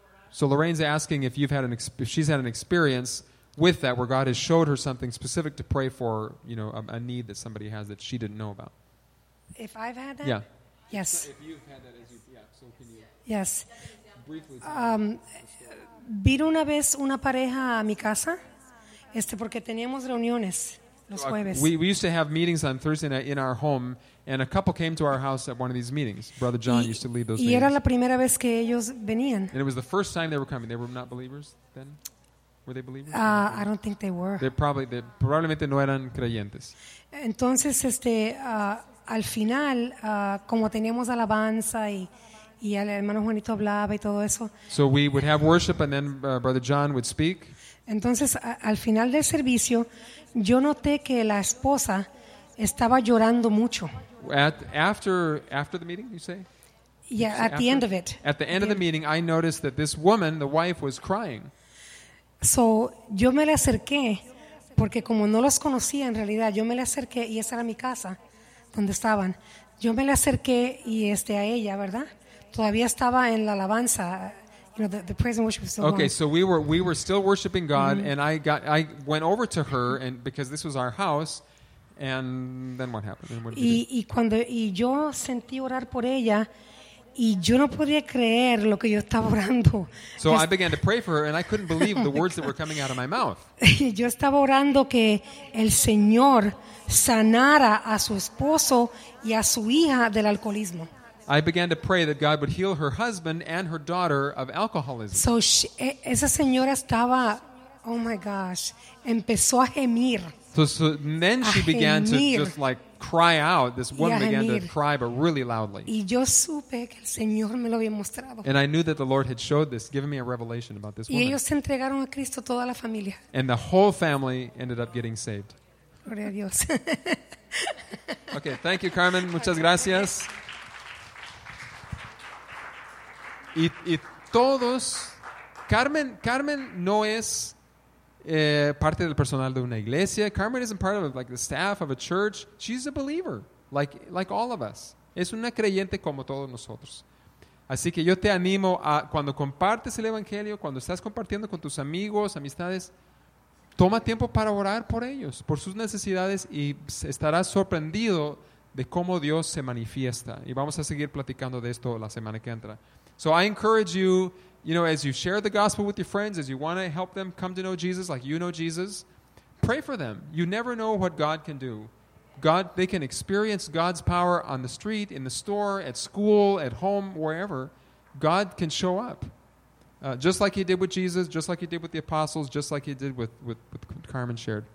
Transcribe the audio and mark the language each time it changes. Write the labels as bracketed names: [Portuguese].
[English] So Lorraine's asking if you've had she's had an experience with that where God has showed her something specific to pray for, you know, a need that somebody has that she didn't know about. If I've had that? Yeah. Yes. So if you've had that, so can you? Yes. Briefly. [Spanish] Vino una vez una pareja a mi casa, porque teníamos reuniones. [English] We used to have meetings on Thursday night in our home, and a couple came to our house at one of these meetings. Brother John used to lead those meetings. [Spanish] Y era la primera vez que ellos venían. [English] And it was the first time they were coming. They were not believers then? Were they believers? I don't think they were. [Spanish] Probablemente no eran creyentes. Entonces, al final, como teníamos alabanza y el hermano Juanito hablaba y todo eso. [English] So we would have worship, and then Brother John would speak. [Spanish] Entonces, al final del servicio, yo noté que la esposa estaba llorando mucho. [English] After the meeting, you say? Yeah, at the end of it. At the end of the meeting, I noticed that this woman, the wife, was crying. [Spanish] So, yo me le acerqué, porque como no los conocía en realidad, yo me le acerqué, y esa era mi casa, donde estaban. Yo me le acerqué, y a ella, ¿verdad? Todavía estaba en la alabanza. [English] You know, the praise and worship was still okay, on. So we were still worshiping God, mm-hmm. And I went over to her, and because this was our house, And then what happened? What [Spanish] y yo sentí orar por ella y yo no podía creer lo que yo estaba orando. [English] So I began to pray for her and I couldn't believe the words that were coming out of my mouth. [Spanish] Yo estaba orando que el Señor sanara a su esposo y a su hija del alcoholismo. [English] I began to pray that God would heal her husband and her daughter of alcoholism. [Spanish] So esa señora estaba, [English] oh my gosh, [Spanish] empezó a gemir. [English] So then she began to just like cry out. This woman began to cry, but really loudly. [Spanish] Y yo supe que el Señor me lo había mostrado. [English] And I knew that the Lord had showed this, given me a revelation about this woman. [Spanish] Y ellos se entregaron a Cristo toda la familia. [English] And the whole family ended up getting saved. [Spanish] Gloria a Dios. [English] Okay, thank you, Carmen. [Spanish] Muchas gracias. Y todos, Carmen no es parte del personal de una iglesia. [English] Carmen isn't part of like the staff of a church. She's a believer, like all of us. [Spanish] Es una creyente como todos nosotros. Así que yo te animo a cuando compartes el evangelio, cuando estás compartiendo con tus amigos, amistades, toma tiempo para orar por ellos, por sus necesidades y estarás sorprendido de cómo Dios se manifiesta. Y vamos a seguir platicando de esto la semana que entra. [English] So I encourage you, you know, as you share the gospel with your friends, as you want to help them come to know Jesus, like you know Jesus, pray for them. You never know what God can do. God, they can experience God's power on the street, in the store, at school, at home, wherever. God can show up. Just like he did with Jesus, just like he did with the apostles, just like he did with Carmen shared.